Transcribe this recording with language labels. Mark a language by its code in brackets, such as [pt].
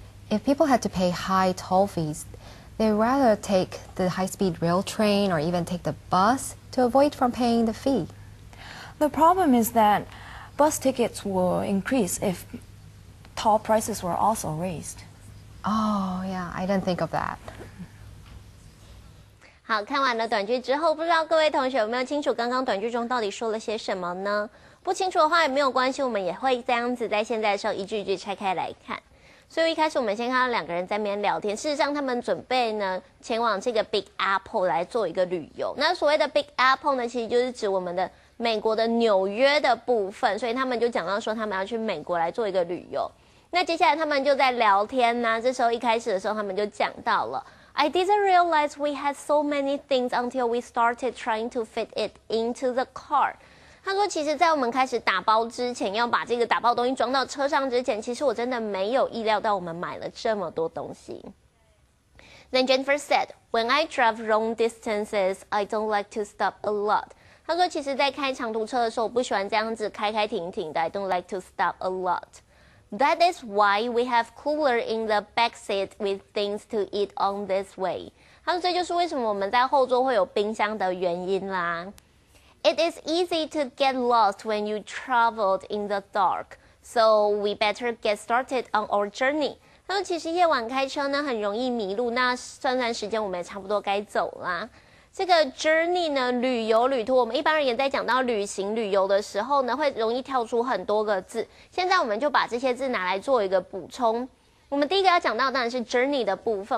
[en] If people had to pay high toll fees, they'd rather take the high-speed rail train or even take the bus to avoid from paying the fee. The problem is that bus tickets will increase if toll prices were also raised. Oh, yeah, I didn't think of that. [zh] 好，看完了短句之后，不知道各位同学有没有清楚刚刚短句中到底说了些什么呢？不清楚的话也没有关系，我们也会这样子在现在的时候一句一句拆开来看。所以一开始我们先看到两个人在那边聊天，事实上他们准备呢前往这个 Big Apple 来做一个旅游。那所谓的 Big Apple 呢，其实就是指我们的美国的纽约的部分，所以他们就讲到说他们要去美国来做一个旅游。那接下来他们就在聊天呢，这时候一开始的时候他们就讲到了。 [en] I didn't realize we had so many things until we started trying to fit it into the car. [zh] 他说其实在我们开始打包之前，要把这个打包东西装到车上之前，其实我真的没有意料到我们买了这么多东西。 [en] Then Jennifer said, when I drive long distances, I don't like to stop a lot. [zh] 他说其实在开长途车的时候，我不喜欢这样子开开停停的。 [en] I don't like to stop a lot. That is why we have cooler in the back seat with things to eat on this way. [zh] 他说这就是为什么我们在后座会有冰箱的原因啦。 [en] It is easy to get lost when you traveled in the dark, so we better get started on our journey. [zh] 他说其实夜晚开车呢很容易迷路，那算算时间我们也差不多该走啦。这个 journey 呢，旅游、旅途，我们一般而言在讲到旅行、旅游的时候呢，会容易跳出很多个字。现在我们就把这些字拿来做一个补充。我们第一个要讲到当然是 journey 的部分。